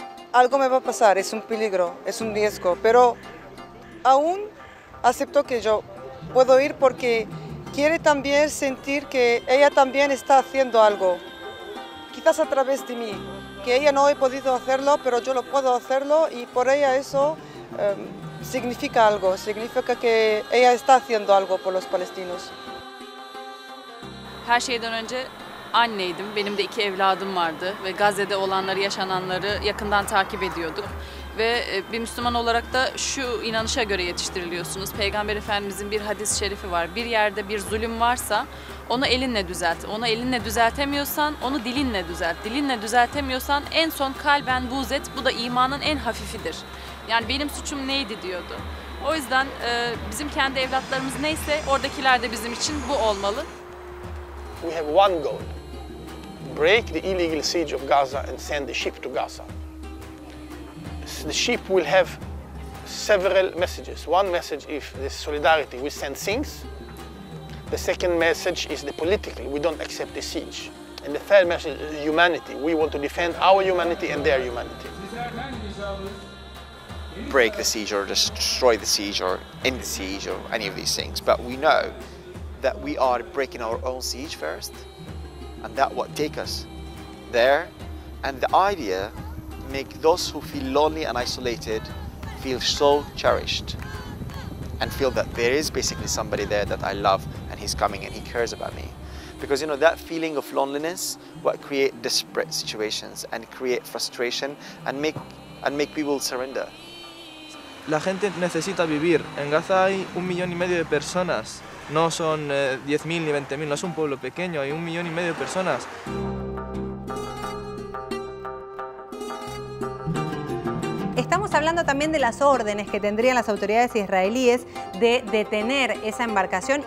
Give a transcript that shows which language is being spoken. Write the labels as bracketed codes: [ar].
[es] Algo me va a pasar, es un peligro, es un riesgo, pero aún acepto que yo puedo ir porque quiere también sentir que ella también está haciendo algo, quizás a través de mí, que ella no ha podido hacerlo, pero yo lo puedo hacerlo y por ella eso significa algo, significa que ella está haciendo algo por los palestinos. [tr] Her şeyden önce anneydim, benim de iki evladım vardı ve Gazze'de olanları, yaşananları yakından takip ediyorduk. Ve bir Müslüman olarak da şu inanışa göre yetiştiriliyorsunuz. Peygamber Efendimizin bir hadis-i şerifi var. Bir yerde bir zulüm varsa onu elinle düzelt. Onu elinle düzeltemiyorsan onu dilinle düzelt. Dilinle düzeltemiyorsan en son kalben buğz et. Bu da imanın en hafifidir. Yani benim suçum neydi diyordu. O yüzden bizim kendi evlatlarımız neyse oradakiler de bizim için bu olmalı. [en] We have one goal. Break the illegal siege of Gaza and send the ship to Gaza. The ship will have several messages. One message is the solidarity, we send things. The second message is the political, we don't accept the siege. And the third message is humanity. We want to defend our humanity and their humanity. Break the siege or destroy the siege or end the siege or any of these things. But we know that we are breaking our own siege first, and that what take us there. And the idea make those who feel lonely and isolated feel so cherished and feel that there is basically somebody there that I love and he's coming and he cares about me. Because you know that feeling of loneliness what create desperate situations and create frustration and make people surrender. [es] La gente necesita vivir. En Gaza hay 1.5 million de personas. No son 10.000 ni 20.000, no es un pueblo pequeño, hay 1.5 million de personas. Estamos hablando también de las órdenes que tendrían las autoridades israelíes de detener esa embarcación.